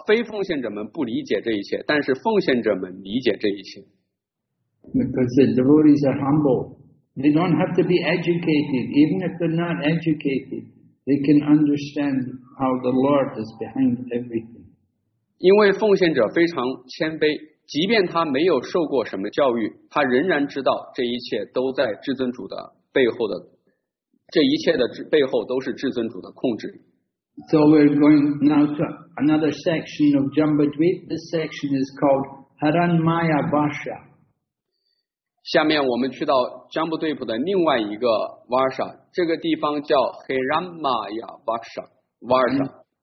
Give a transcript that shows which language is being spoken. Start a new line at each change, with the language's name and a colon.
Chinese: 非奉献者们不理解这一切, 但是奉献者们理解这一切。
English: Because the devotees are humble. They don't have to be educated. Even if they're not educated, they can understand how the Lord is behind everything.
Chinese: 因为奉献者非常谦卑, 即便他没有受过什么教育, 他仍然知道这一切都在至尊主的背后的, 这一切的背后都是至尊主的控制。
English: So we're going now to another section of Jambadvipa. This section is called Haranmaya Bhasha.
Chinese: 下面我们去到江布对普的另外一个 Varsha， 这个地方叫 Hiranmaya Varsha。Varsha。